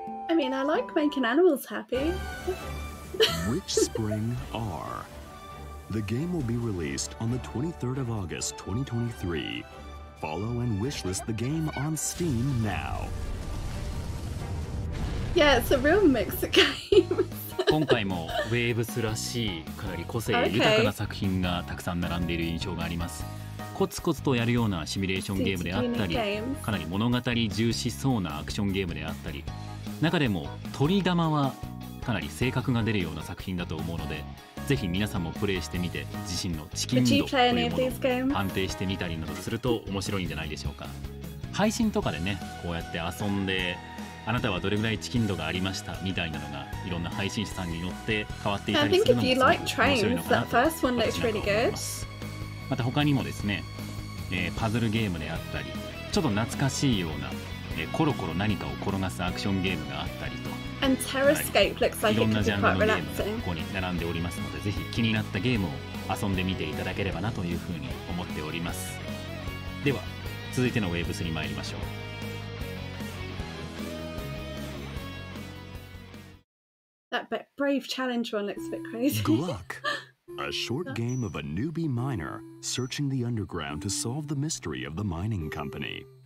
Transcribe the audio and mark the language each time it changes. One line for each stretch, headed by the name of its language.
English: I mean, I like making animals happy. Which spring are? The game will be released on the 23rd of August, 2023. Follow and wishlist the game on Steam now. Yeah, it's a real mix of games.
Japanese: 今回もウェーブスらしいかなり個性豊かな作品がたくさん並んでいる印象があります。コツコツとやるようなシミュレーションゲームであったり、かなり物語重視そうなアクションゲームであったり、中でも鳥玉はかなり性格が出るような作品だと思うのでぜひ皆さんもプレイしてみて自身のチキン度というものを判定してみたりなどすると面白いんじゃないでしょうか。配信とかでねこうやって遊んであなたはどれぐらいチキン度がありましたみたいなのがいろんな配信者さんによって変わっていたりするのもすごく面白いのかなと私なんか思います。また他にもですね、パズルゲームであったりちょっと懐かしいような、コロコロ何かを転がすアクションゲームがあったりと
English: And Terrascape looks like it's quite relaxing.
Japanese: ここに並んでおりますので、ぜひ気になったゲームを遊んでみていただければなというふうに思っております。では、続いてのウェーブスに参りましょう。
English: That brave challenge one looks a bit crazy. Gluck, a short game of a newbie miner searching the underground to solve the mystery of the mining company.